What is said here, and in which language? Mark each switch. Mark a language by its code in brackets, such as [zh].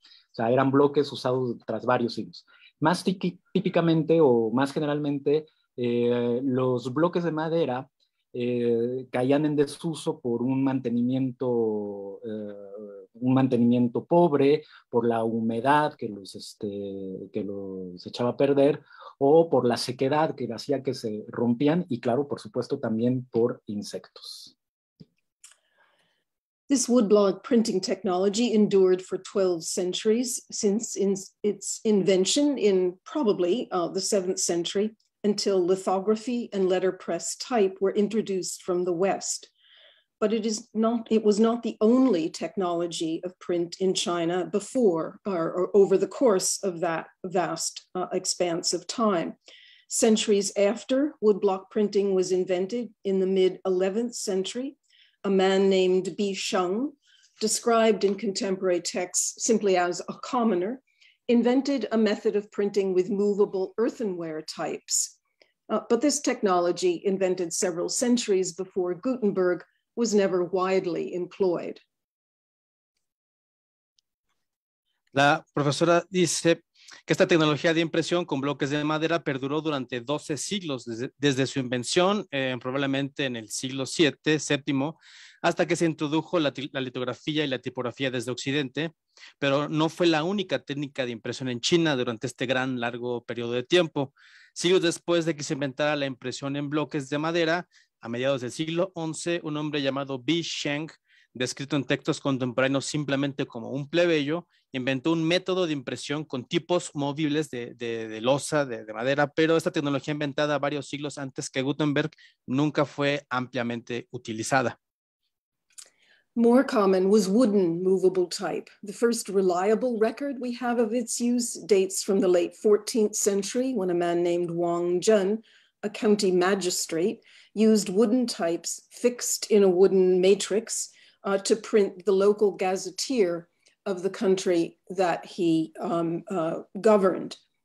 [es] O sea, eran bloques usados tras varios siglos. Más típicamente o más generalmente, los bloques de madera caían en desuso por un mantenimiento pobre, por la humedad que los echaba a perder, o por la sequedad que hacía que se rompían, y claro, por supuesto, también por insectos. [en] This woodblock printing technology endured for 12 centuries, since its invention in probably the 7th century, until lithography and letterpress type were introduced from the West. But it was not the only technology of print in China before or over the course of that vast expanse of time. Centuries after woodblock printing was invented in the mid 11th century, a man named Bi Sheng, described in contemporary texts simply as a commoner, invented a method of printing with movable earthenware types. But this technology, invented several centuries before Gutenberg, was never widely employed. [es] La profesora dice que esta tecnología de impresión con bloques de madera perduró durante 12 siglos desde su invención, probablemente en el siglo VII, hasta que se introdujo la litografía y la tipografía desde Occidente, pero no fue la única técnica de impresión en China durante este gran largo periodo de tiempo. Siglos después de que se inventara la impresión en bloques de madera, a mediados del siglo XI, un hombre llamado Bi Sheng, descrito en textos contemporáneos simplemente como un plebeyo, inventó un método de impresión con tipos movibles de losa, de madera, pero esta tecnología inventada varios siglos antes que Gutenberg nunca fue ampliamente utilizada. [en] More common was wooden movable type. The first reliable record we have of its use dates from the late 14th century, when a man named Wang Jun, a county magistrate, used wooden types fixed in a wooden matrix to print the local gazetteer of the country that he governed.